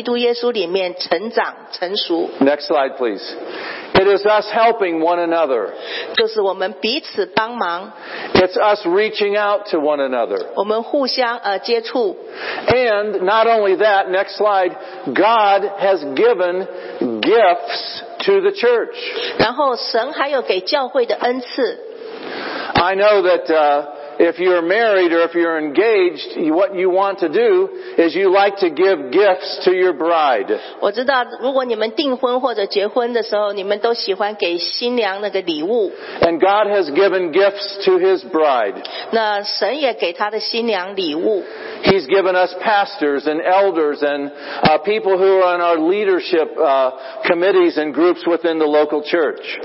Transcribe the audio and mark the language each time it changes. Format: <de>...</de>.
<zh>这就是几乎是整本新约里面所谈到的，就是帮助那些得救的人如何在基督耶稣里面成长成熟。</zh> <en>Next slide, please. It is us helping one another.</en> <zh>就是我们彼此帮忙。</zh> <en>It's us reaching out to one another.</en> <zh>我们互相接触。</zh> <en>And not only that, next slide, God has given gifts to the church.</en> <zh>然后神还有给教会的恩赐。</zh> <en>I know that if you're married or if you're engaged, what you want to do is you like to give gifts to your bride.</en> <zh>我知道如果你们订婚或者结婚的时候，你们都喜欢给新娘那个礼物。</zh> <en>And God has given gifts to His bride.</en> <zh>那神也给他的新娘礼物。</zh> <en>He's given us pastors and elders and people who are on our leadership committees and groups within the local church.</en>